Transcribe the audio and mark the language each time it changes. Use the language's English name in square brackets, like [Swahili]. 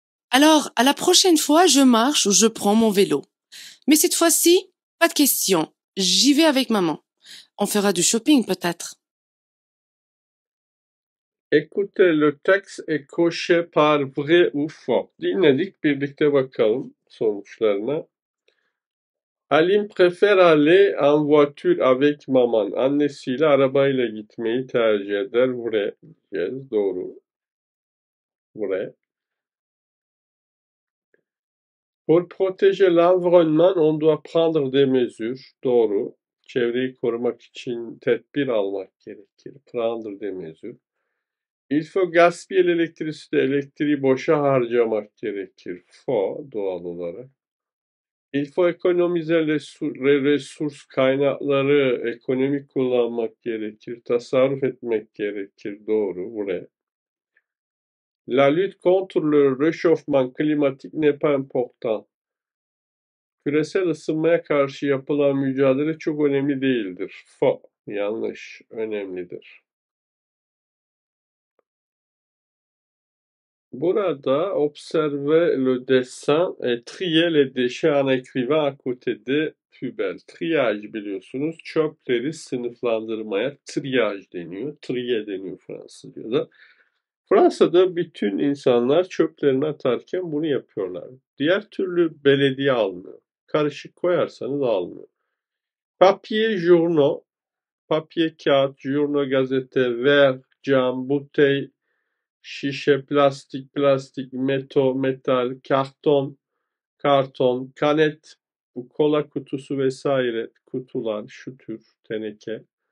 [French] Alors, à la prochaine fois, je marche ou je prends mon vélo. Mais cette fois-ci, pas de question, j'y vais avec maman. On fera du shopping peut-être. Écoutez le texte et cochez par vrai ou faux. [Turkish] Dinledik, birlikte bakalım sonuçlarına. [French] Alim préfère aller en voiture avec maman. [Turkish] Annesiyle arabayla gitmeyi tercih eder. [French] Vrai. [English] Yes, [Turkish] doğru. [French] Vrai. Pour protéger l'environnement, on doit prendre des mesures. [Turkish] Doğru. Çevreyi korumak için tedbir almak gerekir. [French] Prendre des mesures. Il faut gaspiller l'électricité, [Turkish] elektriği boşa harcamak gerekir. [French] Faux, [Turkish] doğal olarak. [French] Il faut économiser les ressources, [Turkish] kaynakları ekonomik kullanmak gerekir, tasarruf etmek gerekir. Doğru, [French] vrai. La lutte contre le réchauffement climatique n'est pas important. [Turkish] Küresel ısınmaya karşı yapılan mücadele çok önemli değildir. [French] Faux, [Turkish] yanlış, önemlidir. Burada [French] observe le dessin et trier les déchets en écrivant à côté de poubelle. [Turkish] Triage biliyorsunuz. Çöpleri sınıflandırmaya triage deniyor. Trier deniyor Fransızca'da. Fransa'da bütün insanlar çöplerini atarken bunu yapıyorlar. Diğer türlü belediye almıyor. Karışık koyarsanız almıyor. [French] Papier journaux. [Turkish] Papier kağıt, journaux gazete, ver, cam, butey, şişe, plastik, plastik, metal, karton, karton, kanet, bu kola kutusu vesaire, kutular, şu tür teneke,